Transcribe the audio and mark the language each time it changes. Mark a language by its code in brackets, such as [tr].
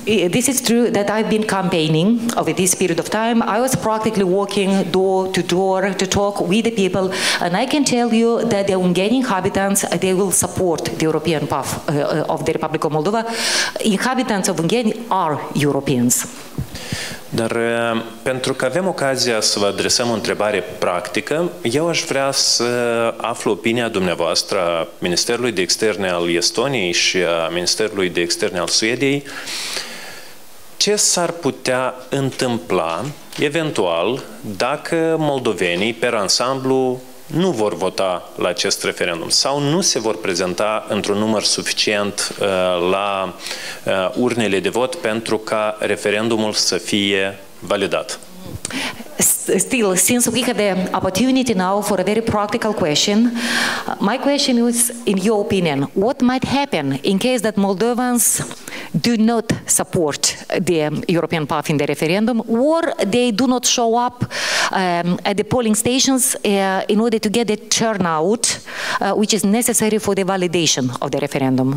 [en] This is true that I've been campaigning over this period of time. I was practically walking door to door to talk with the people, and I can tell you that the Ungheni inhabitants, they will support the European path of the Republic of Moldova. Inhabitants of Ungheni are Europeans. [ro] Dar pentru că avem ocazia să vă adresăm o întrebare practică, eu aș vrea să aflu opinia dumneavoastră a Ministerului de Externe al Estoniei și a Ministerului de Externe al Suediei. Ce s-ar putea întâmpla, eventual, dacă moldovenii, per ansamblu, nu vor vota la acest referendum sau nu se vor prezenta într-un număr suficient la urnele de vot pentru ca referendumul să fie validat. [en] Still, since we have the opportunity now for a very practical question, my question is, in your opinion, what might happen in case that Moldovans do not support the European path in the referendum, or they do not show up at the polling stations in order to get the turnout which is necessary for the validation of the referendum?